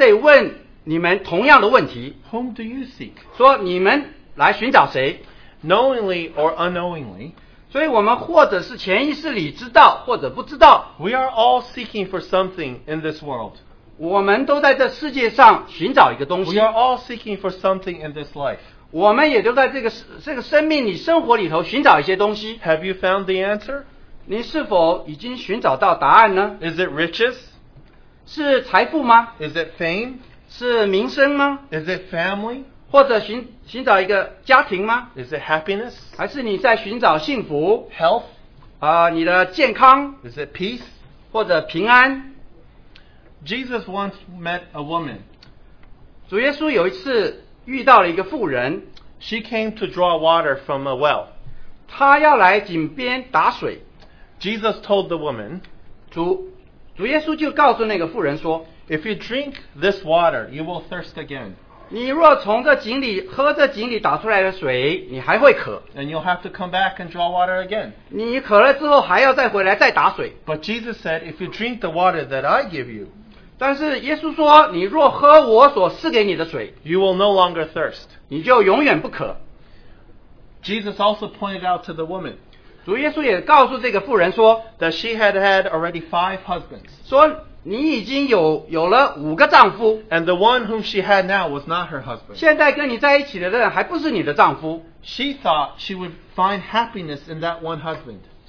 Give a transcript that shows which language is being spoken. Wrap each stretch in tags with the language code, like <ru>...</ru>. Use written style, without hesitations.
<zh>今天,主耶稣也在这里问你们同样的问题。</zh> <en>Whom do you seek?</en> <zh>说你们来寻找谁?</zh> <en>Knowingly or unknowingly,</en> <zh>所以我们或者是潜意识里知道或者不知道,</zh> <en>we are all seeking for something in this world.</en> <zh>我们都在这世界上寻找一个东西。</zh> <en>We are all seeking for something in this life.</en> <zh>我们也都在这个生命里生活里头寻找一些东西。</zh> <en>Have you found the answer?</en> <zh>你是否已经寻找到答案呢?</zh> <en>Is it riches?</en> <zh>是财富吗?</zh> <en>Is it fame?</en> <zh>是名声吗?</zh> <en>Is it family?</en> <zh>或者寻找一个家庭吗?</zh> <en>Is it happiness?</en> <zh>还是你在寻找幸福?</zh> <en>Health?</en> <zh>你的健康?</zh> <en>Is it peace?</en> <zh>或者平安?</zh> <en>Jesus once met a woman.</en> <zh>主耶稣有一次遇到了一个妇人。</zh> <en>She came to draw water from a well.</en> <zh>她要来井边打水。</zh> <en>Jesus told the woman,</en> <zh>主耶稣就告诉那个妇人说,</zh> <en>If you drink this water, you will thirst again.</en> <zh>你若从这井里喝这井里打出来的水,你还会渴。</zh> <en>And you'll have to come back and draw water again.</en> <zh>你渴了之后还要再回来再打水。</zh> <en>But Jesus said, if you drink the water that I give you,</en> <zh>但是耶稣说,你若喝我所赐给你的水,</zh> <en>you will no longer thirst.</en> <zh>你就永远不渴。</zh> <en>Jesus also pointed out to the woman,</en> <zh>主耶稣也告诉这个妇人说,</zh> <en>that she had had already 5 husbands.</en> <zh>你已经有了五个丈夫,</zh> <en>and the one whom she had now was not her husband.</en> <zh>现在跟你在一起的人还不是你的丈夫。</zh> <en>She thought she would find happiness in that one husband.</en>